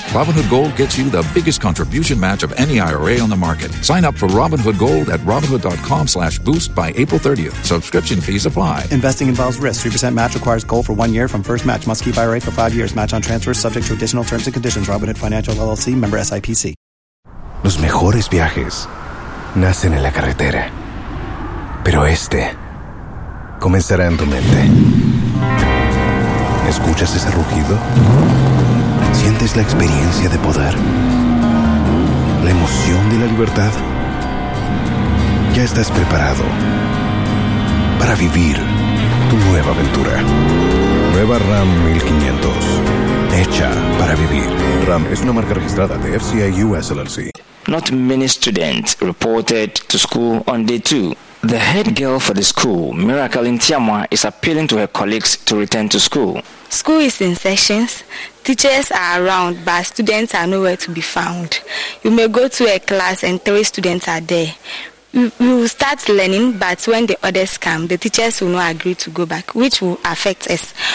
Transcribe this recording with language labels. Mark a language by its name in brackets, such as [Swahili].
[English] Robinhood Gold gets you the biggest contribution match of any IRA on the market. Sign up for Robinhood Gold at Robinhood.com/boost by April 30th. Subscription fees apply. Investing involves risk. 3% match requires gold for 1 year from first match. Must keep IRA for 5 years. Match on transfers subject to additional terms and conditions. Robinhood Financial LLC. Member SIPC. [Spanish] Los mejores viajes nacen en la carretera, pero este comenzará en tu mente. ¿Escuchas ese rugido? ¿Sientes la experiencia de poder? ¿La emoción de la libertad? Ya estás preparado para vivir tu nueva aventura. Nueva Ram 1500. Hecha para vivir. Ram es una marca registrada de FCA US LLC. [English] Not many students reported to school on day two. The head girl for the school, Miracle Ntiamwa, is appealing to her colleagues to return to school. School is in sessions. Teachers are around, but students are nowhere to be found. You may go to a class and three students are there. We will start learning, but when the others come, the teachers will not agree to go back, which will affect us.